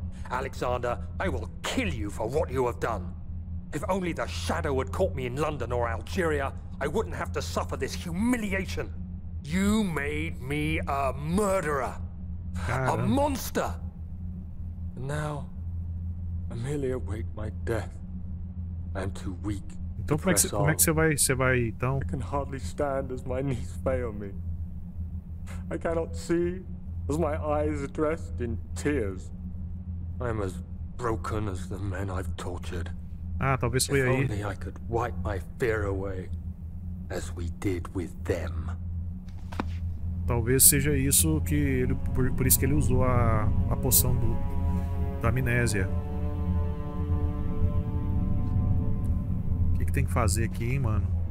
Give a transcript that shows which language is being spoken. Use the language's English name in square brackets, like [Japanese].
[English] Alexander, I will kill you for what you have done. If only the shadow had caught me in London or Algeria, I wouldn't have to suffer this humiliation. You made me a murderer. [Portuguese] Caramba. [English] A monster. And now I merely await my death. I'm too weak. [Portuguese] Então como é que você vai então? [English] I can hardly stand as my knees fail me. I cannot see as my eyes are dressed in tears. I'm as broken as the men I've tortured. [Portuguese] Ah, talvez foi aí. [English] If only I could wipe my fear away as we did with them. [Portuguese] Talvez seja isso que ele, por isso que ele usou a poção da amnésia. O que tem que fazer aqui, hein, mano?